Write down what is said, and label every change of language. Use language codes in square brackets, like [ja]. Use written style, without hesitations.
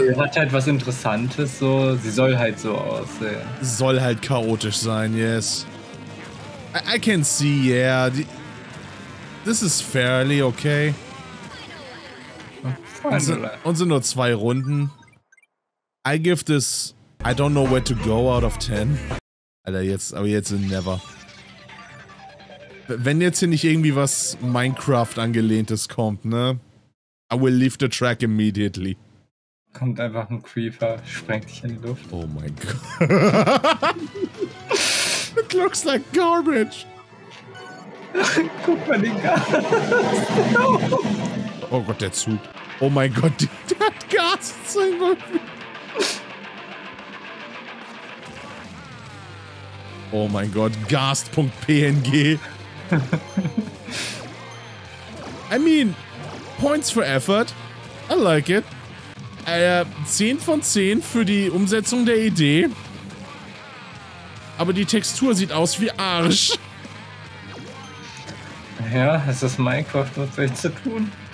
[de] Die hat halt was Interessantes so, sie soll halt so aussehen. Soll halt chaotisch sein, [en] yes. I can see, yeah. This is fairly okay. [de] Und sind nur zwei Runden. [en] I give this I don't know where to go out of 10. [de] Alter, jetzt, aber jetzt sind never. Wenn jetzt hier nicht irgendwie was Minecraft-Angelehntes kommt, ne? [en] I will leave the track immediately. [de] Kommt einfach ein Creeper, sprengt dich in die Luft. Oh mein Gott. [en] It looks like garbage. [de] Guck mal den Gas. No. Oh Gott, der Zug. Oh mein Gott, der hat Gas. Oh mein Gott, Gast.png. [en] I mean, points for effort. I like it. [de] 10 von 10 für die Umsetzung der Idee. Aber die Textur sieht aus wie Arsch. Ja, es ist Minecraft, was soll ich zu tun?